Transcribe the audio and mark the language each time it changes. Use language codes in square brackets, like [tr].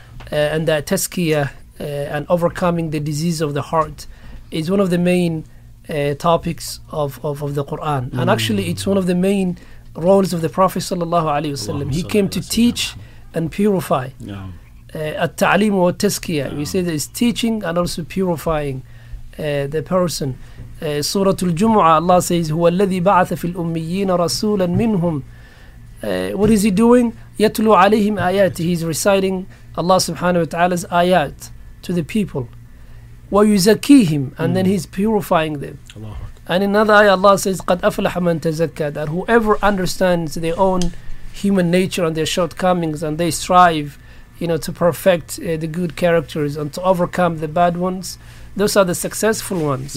[en] And that tazkiyah and overcoming the disease of the heart is one of the main topics of the Quran. And actually, it's one of the main roles of the Prophet sallallahu alaihi wasallam. He came to teach and purify. [ar] At ta'lim wa tazkiyah. [en] We say there is teaching and also purifying. the person. Surah Al-Jumu'ah, Allah says, [ar] هو الذي بعث في الأميين رسولا منهم. [en] What is he doing? [ar] يتلو عليهم آيات. [en] He's reciting Allah subhanahu wa ta'ala's ayat to the people. [ar] ويزكيهم. [en] And then he's purifying them. Allah. And in another ayah, Allah says, [ar] قد أفلح من تزكى. [en] That whoever understands their own human nature and their shortcomings, and they strive, you know, to perfect the good characters and to overcome the bad ones, those are the successful ones.